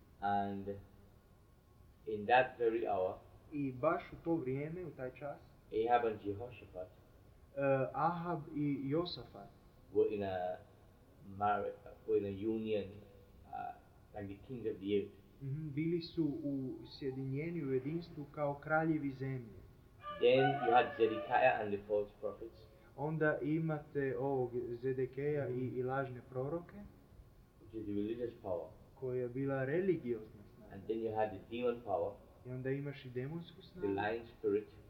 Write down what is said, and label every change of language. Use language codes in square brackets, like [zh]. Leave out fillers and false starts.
[en] And in that very hour, [hr] i baš u to vrijeme, u taj čas, [en] Ahab and Jehoshaphat, [hr] Ahab i Josafat, [en] were in a marriage, in a union, like the kings of the earth. [hr] Bili su u sjedinjenju, u jedinstvu kao kraljevi zemlje. [en] Then you had Zedekiah and the false prophets. [hr] Onda imate ovog Zedekeja i lažne proroke. [en] Which is the religious power. [hr] Koja je bila religiozna snaga. [en] And then you had the demon power. [hr] I onda imaš i demonsku snagu. [en] The lying spirit.